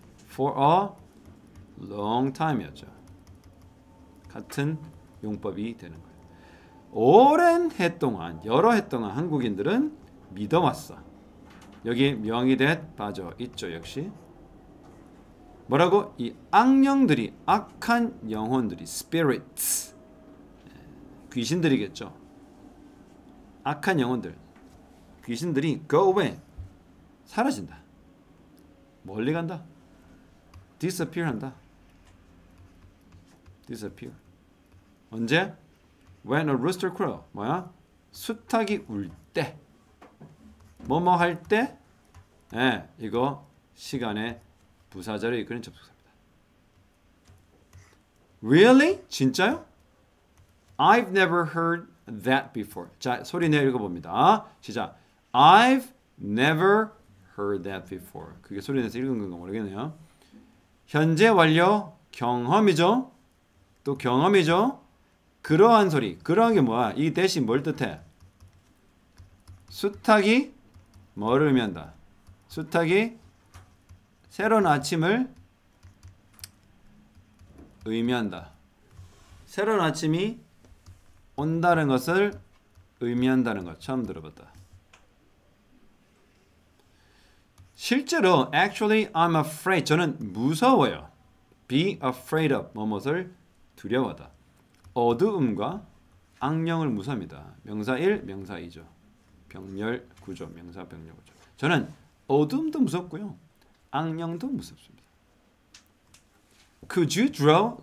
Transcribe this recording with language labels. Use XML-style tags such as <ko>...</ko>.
<en>For a long time</en> <ko>이었죠. 같은 용법이 되는 거예요. 오랜 해 동안, 여러 해 동안 한국인들은 믿어왔어. 여기 명의 that 빠져있죠, 역시. 뭐라고? 이 악령들이, 악한 영혼들이, spirits, 귀신들이겠죠. 악한 영혼들, 귀신들이 go away, 사라진다. 멀리 간다. disappear 한다.</ko> <en>disappear.</en> <ko>언제?</ko> <en>when a rooster crow.</en> <ko>뭐야? 수탉이 울 때. 뭐뭐 할 때? 예, 네, 이거 시간에 부사자를 이끄는 접속사입니다.</ko> <en>Really?</en> <ko>진짜요?</ko> <en>I've never heard that before.</en> <ko>자, 소리 내 읽어봅니다. 시작.</ko> <en>I've never heard that before.</en> <ko>그게 소리 내서 읽은 건가 모르겠네요. 현재 완료 경험이죠. 또 경험이죠. 그러한 소리. 그러한 게 뭐야? 이 대신 뭘 뜻해? 수탉이 뭐를 의미한다? 수탉이 새로운 아침을 의미한다. 새로운 아침이 온다는 것을 의미한다는 것. 처음 들어봤다. 실제로</ko> <en>actually I'm afraid.</en> <ko>저는 무서워요. be afraid of. 무엇을 두려워하다. 어두움과 악령을 무서워합니다. 명사 1, 명사 2죠. 병렬 구조. 명사 병렬 구조. 저는 어둠도 무섭고요. 악령도 무섭습니다.</ko> <en>Could you draw?</en>